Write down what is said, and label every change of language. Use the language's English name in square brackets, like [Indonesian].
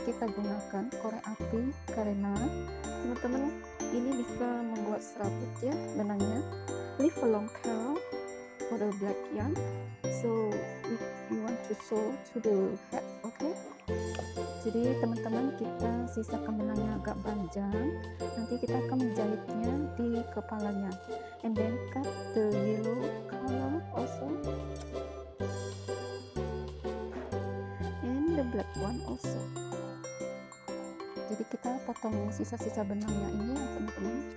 [Indonesian] Kita gunakan korek api karena teman-teman ini bisa membuat serabut ya benangnya. [English] Leave a long tail for the black yarn. So we want to sew to the head, okay? [Indonesian] Jadi teman-teman, kita sisakan benangnya agak panjang. Nanti kita akan menjahitnya di kepalanya. [English] And then cut the yellow color also. And the black one also. [Indonesian] Jadi kita potong sisa-sisa benangnya ini ya teman-teman.